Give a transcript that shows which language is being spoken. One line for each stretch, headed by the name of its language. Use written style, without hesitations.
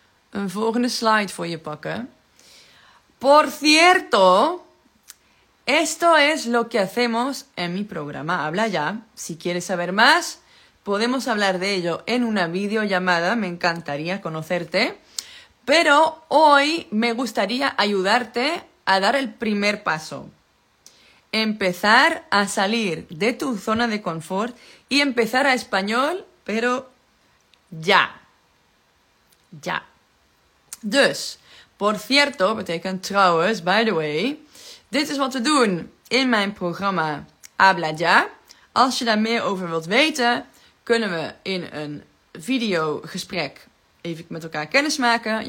Dutch: Een volgende slide voor je pakken.
Spanish: Por cierto, esto es lo que hacemos en mi programa Habla Ya. Si quieres saber más, podemos hablar de ello en una videollamada. Me encantaría conocerte. Pero hoy me gustaría ayudarte a dar el primer paso. Empezar a salir de tu zona de confort y empezar a español, pero ya. Ya.
Dutch: Dus,
Spanish: por cierto,
Dutch: betekent trouwens,
English: by the way,
Dutch: dit is wat we doen in mijn programma Habla Ya. Als je daar meer over wilt weten, kunnen we in een videogesprek even met elkaar kennis maken.